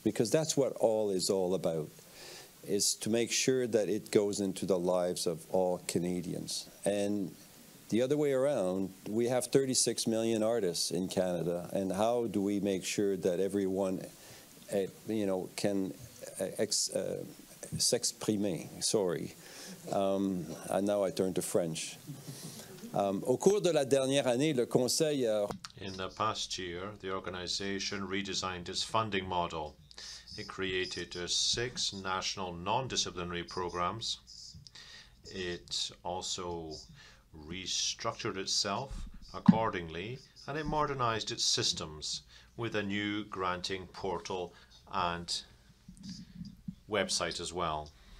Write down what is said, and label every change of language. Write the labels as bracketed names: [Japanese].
[English] Because that's what all is all about, is to make sure that it goes into the lives of all Canadians. And the other way around, we have 36 million artists in Canada, and how do we make sure that everyone can s'exprimer, sorry. And now I turn to French. [French] Au cours de la dernière année, le conseil a... [English] In the past year, the organization redesigned its funding model. It created six national non-disciplinary programs. It also restructured itself accordingly, and it modernized its systems with a new granting portal and website as well.